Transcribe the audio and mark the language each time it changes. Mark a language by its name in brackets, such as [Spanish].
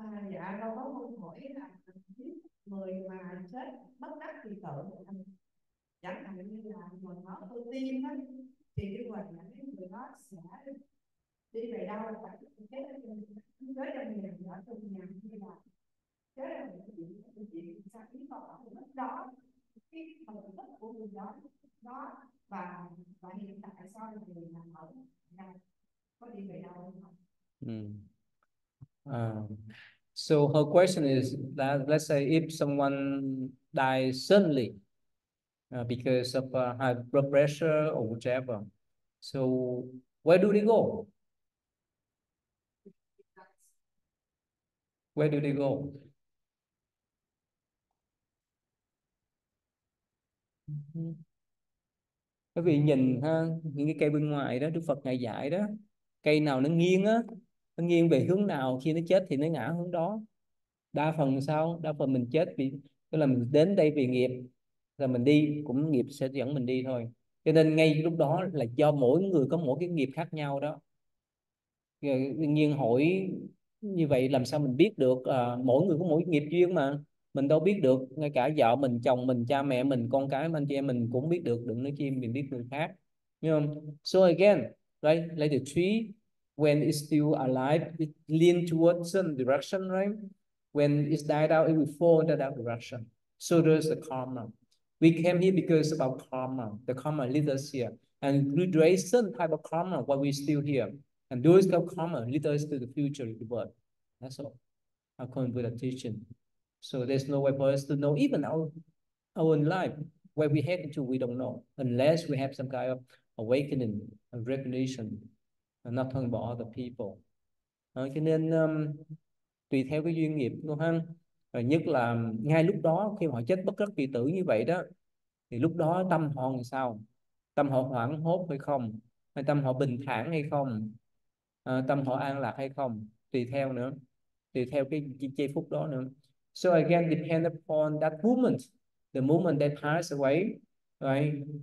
[Vietnamese] Dạ con có một câu hỏi là người mà chết bất đắc kỳ tử, chẳng hạn như là người đó tu tiên á, thì cái quần là cái người đó sẽ đi về đâu, phải chết ở trong nhà, ở trong nhà như là chết là một chuyện, cái chuyện sao ý tỏ của đó, cái phần thức của người đó đó, và hiện tại sao người là ở đây có đi về đâu không? [English] So her question is that, let's say if someone dies suddenly because of high blood pressure or whatever, so where do they go? Where do they go? [Vietnamese] Quý vị nhìn ha, những cái cây bên ngoài đó, Đức Phật ngài dạy đó, cây nào nó nghiêng á, nó nghiêng về hướng nào, khi nó chết thì nó ngã hướng đó. Đa phần sao? Đa phần mình chết vì, tức là mình đến đây vì nghiệp, là mình đi cũng nghiệp sẽ dẫn mình đi thôi. Cho nên ngay lúc đó là do mỗi người có mỗi cái nghiệp khác nhau đó. Rồi, đương nhiên hỏi như vậy làm sao mình biết được, mỗi người có mỗi nghiệp duyên mà. Mình đâu biết được, ngay cả vợ mình, chồng mình, cha mẹ mình, con cái mình, anh chị em mình cũng biết được, đừng nói chi mình biết người khác. Đúng không? [English] So again, right, [Vietnamese] lấy [English] like the tree When it's still alive, it lean towards certain direction, right? When it's died out, it will fall in that direction. So there's the karma. We came here because about karma. The karma lead us here. And we raise certain type of karma while we're still here. And those type of karma lead us to the future of the world. That's all. According to the teaching. So there's no way for us to know even our own life. Where we head into, we don't know. Unless we have some kind of awakening, a revelation. I'm not talking about other people. [Vietnamese] À, cho nên tùy theo cái duyên nghiệp đúng không? Và nhất là ngay lúc đó khi họ chết bất đắc kỳ tử như vậy đó, thì lúc đó tâm họ làm sao? Tâm họ hoảng hốt hay không? Hay tâm họ bình thản hay không? À, tâm họ an lạc hay không? Tùy theo nữa. Tùy theo cái giây phút đó nữa. [English] So again, depend upon that moment, the moment they pass away, right?